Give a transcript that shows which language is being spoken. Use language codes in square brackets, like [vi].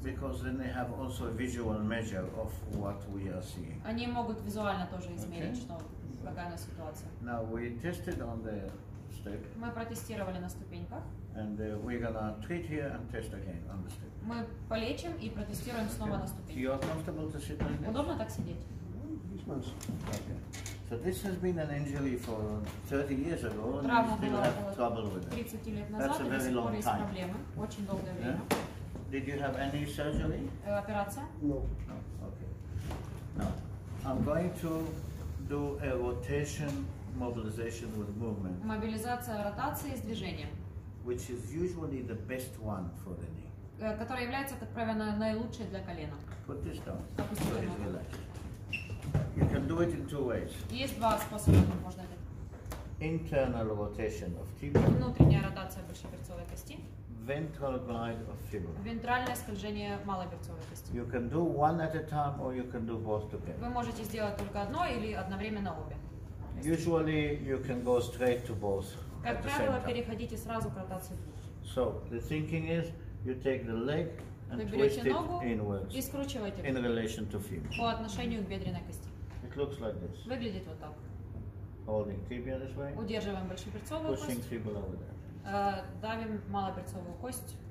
[en] Because then they have also a visual measure of what we are seeing. [ru] Они могут визуально тоже измерить, что. [en] Now we tested on the step. [ru] Мы протестировали на ступеньках. [en] And we're gonna treat here and test again on the step. [ru] Мы полечим и протестируем снова на ступеньках. [en] You are comfortable to sit like this? [ru] Удобно так сидеть? [en] Okay. So this has been an injury for 30 years ago, and you still have trouble with it. [ru] 30 лет назад. [en] That's a very long time. [ru] Проблемы. Очень долгое время. [en] Yeah? Did you have any surgery? [ru] Операция? [en] No. Okay. Now I'm going to do a rotation mobilization with movement. [ru] Мобилизация ротации с движением. [en] Which is usually the best one for the knee. [ru] Которая является, как правило, наилучшей для колена. [en] Put this down. [ru] Опустите ногу. [en] So it's relaxed. You can do it in two ways. [ru] Есть два способа, как можно это. [en] Internal rotation of fibula. [ru] Внутренняя ротация большеперцовой кости. [en] Ventral glide of fibula. [ru] Вентральное скольжение малоперцовой кости. [en] You can do one at a time or you can do both together. [ru] Вы можете сделать только одно или одновременно обе. [en] Usually you can go straight to both. [ru] Как правило, переходите сразу к ротации двух. [en] So the thinking is you take the leg and twist it inwards. [ru] И скручиваете [en] in relation to fibula. [ru] По отношению к бедренной кости. [en] It looks like this. [ru] Выглядит вот так. [en] Holding tibia this way. [ru] Удерживаем большеперцовую кость. [en] Pushing fibula over there. [ru] Давим малоперцовую кость